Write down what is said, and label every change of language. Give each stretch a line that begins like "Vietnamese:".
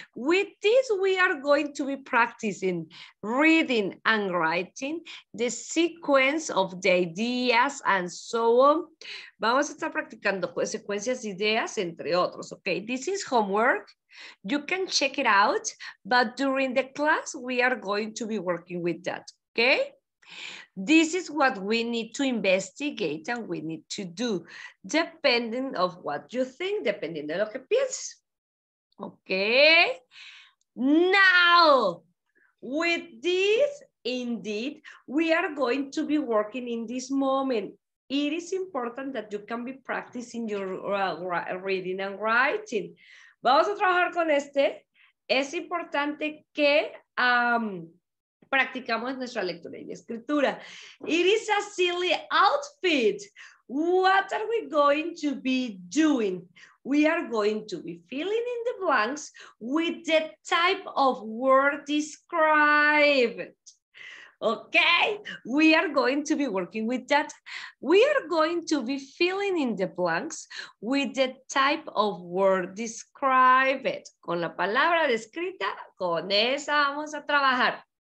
English: With this, we are going to be practicing reading and writing, the sequence of the ideas and so on.
Spanish: Vamos a estar practicando secuencias de ideas, entre otros, okay?
English: This is homework. You can check it out, but during the class, we are going to be working with that, okay? This is what we need to investigate and we need to do, depending of what you think, depending
Spanish: de lo que piensas.
English: Okay, now with this, indeed, we are going to be working in this moment. It is important that you can be practicing your reading and writing.
Spanish: Vamos a trabajar con este. Es importante que practicamos nuestra lectura y escritura.
English: It is a silly outfit. What are we going to be doing? We are going to be filling in the blanks with the type of word described. Okay, we are going to be working with that. We are going to be filling in the blanks with the type of word described.
Spanish: Con la palabra descrita, con esa vamos a trabajar.